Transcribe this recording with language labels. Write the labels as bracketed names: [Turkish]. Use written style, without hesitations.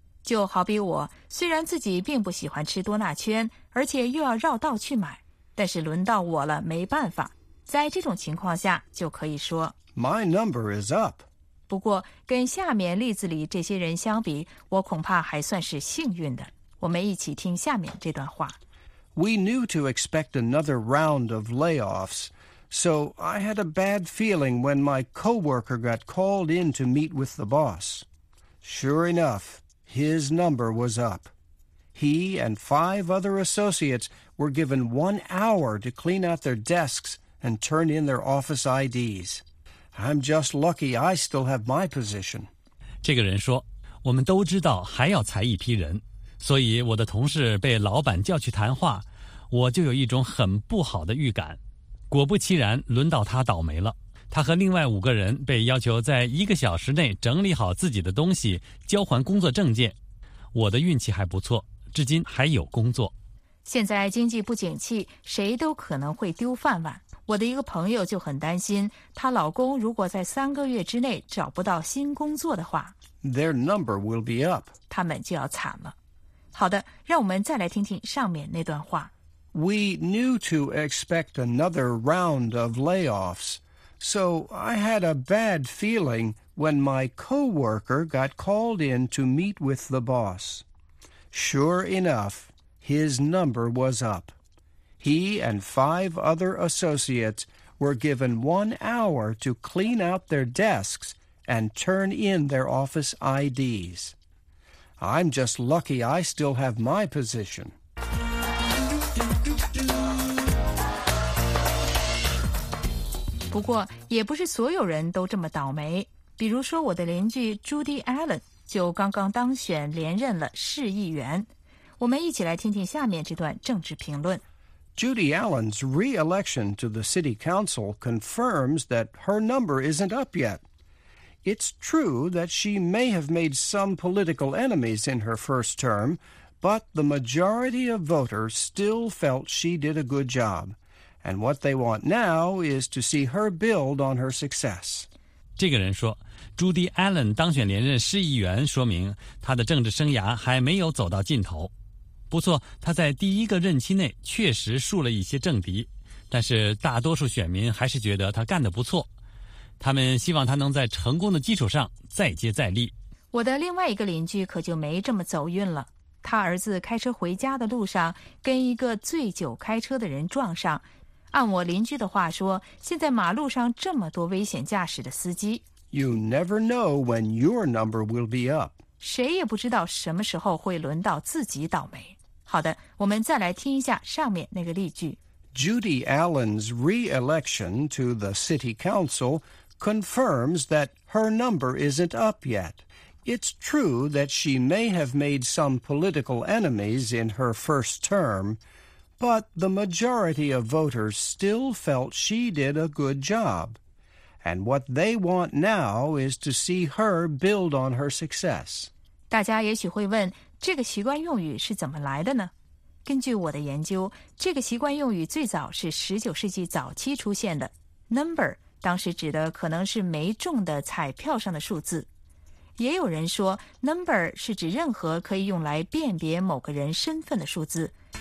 [Chinese] 就好比我虽然自己并不喜欢吃多纳圈，而且又要绕道去买，但是轮到我了，没办法。在这种情况下就可以说 [English] My number is up。 [Chinese] 不过跟下面例子里这些人相比，我恐怕还算是幸运的。我们一起听下面这段话。 [English] We knew to expect another round of layoffs, so I had a bad feeling when my coworker got called in to meet with the boss. Sure enough, his number was up. He and five other associates were given 1 hour to clean out their desks and turn in their office IDs. I'm just lucky I still have my position. [Chinese] 这个人说，我们都知道还要裁一批人。所以我的同事被老板叫去谈话，我就有一种很不好的预感。果不其然，轮到他倒霉了。他和另外五个人被要求在一个小时内整理好自己的东西，交还工作证件。我的运气还不错，至今还有工作。现在经济不景气，谁都可能会丢饭碗。我的一个朋友就很担心，她老公如果在3个月之内找不到新工作的话 [English] Their number will be up. [Chinese] 他们就要惨了。好的，让我们再来听听上面那段话。 [English] We knew to expect another round of layoffs, so I had a bad feeling when my coworker got called in to meet with the boss. Sure enough, his number was up. He and five other associates were given 1 hour to clean out their desks and turn in their office IDs. I'm just lucky I still have my position. [Chinese] 不过也不是所有人都这么倒霉。比如说我的邻居 Judy Allen 就刚刚当选连任了市议员。我们一起来听听下面这段政治评论。 [English] Judy Allen's re-election to the city council confirms that her number isn't up yet. It's true that she may have made some political enemies in her first term, but the majority of voters still felt she did a good job. And what they want now is to see her build on her success. [Chinese] 这个人说 ,Judy Allen 当选连任市议员说明她的政治生涯还没有走到尽头。不错，她在第一个任期内确实树了一些政敌，但是大多数选民还是觉得她干得不错。他们希望他能在成功的基础上再接再厉。我的另外一个邻居可就没这么走运了。他儿子开车回家的路上跟一个醉酒开车的人撞上。按我邻居的话说，现在马路上这么多危险驾驶的司机。 [English] You never know when your number will be up. [Chinese] 谁也不知道什么时候会轮到自己倒霉。好的，我们再来听一下上面那个例句。 [English] Judy Allen's re-election to the city council confirms that her number isn't up yet. It's true that she may have made some political enemies in her first term, but the majority of voters still felt she did a good job. And what they want now is to see her build on her success. [Chinese] 大家也许会问，这个习惯用语是怎么来的呢？根据我的研究，这个习惯用语最早是19世纪早期出现的。 Number 当时指的可能是没中的彩票上的数字。也有人说 Number 是指任何可以用来辨别某个人身份的数字。